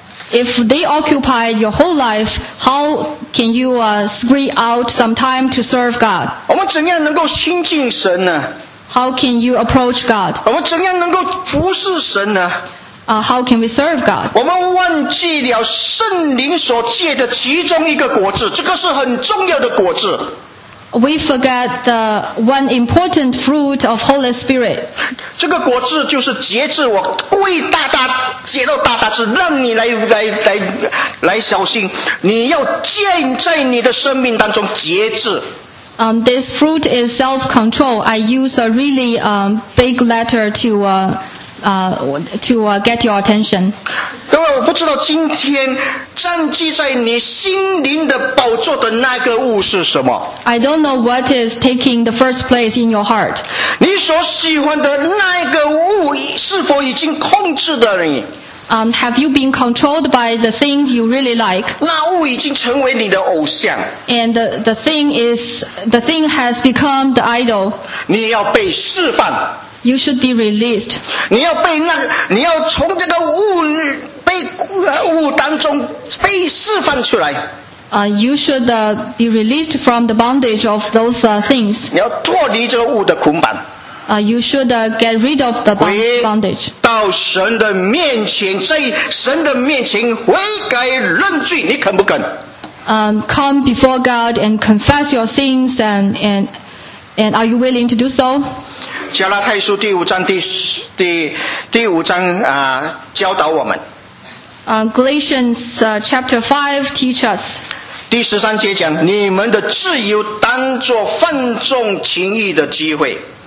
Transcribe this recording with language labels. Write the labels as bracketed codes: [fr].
[en] If they occupy your whole life, how can you spread out some time to serve God? [zh] 我们怎样能够亲近神呢？ [en] How can you approach God? [zh] 我们怎样能够服侍神呢？ [en] How can we serve God? [zh] 我们忘记了圣灵所借的其中一个果子，这个是很重要的果子。 [en] We forget the one important fruit of Holy Spirit. [zh] 这个果子就是节制，我故意大大节奏大大，是让你来小心，你要建在你的生命当中节制。 [en] This fruit is self-control. I use a really big letter to get your attention. [zh] 各位，我不知道今天占据在你心灵的宝座的那个物是什么。 [en] I don't know what is taking the first place in your heart. [zh] 你所喜欢的那个物是否已经控制了你？ [en] Have you been controlled by the thing you really like? [zh] 那物已经成为你的偶像。 [en] And the thing has become the idol. [zh] 你要被释放。 [en] You should be released. [zh] 你要被那，你要从这个物被物当中被释放出来。 [en] You should be released from the bondage of those things. [zh] 你要脱离这个物的捆绑。 [en] You should get rid of the bondage. [zh] 回到神的面前，在神的面前悔改认罪，你肯不肯？ [en] Come before God and confess your sins, and are you willing to do so? [zh] 加拉太书第五章第五章教导我们。 [en] Galatians chapter 5 teach us. [zh] 第十三节讲，你们的自由当作放纵情欲的机会。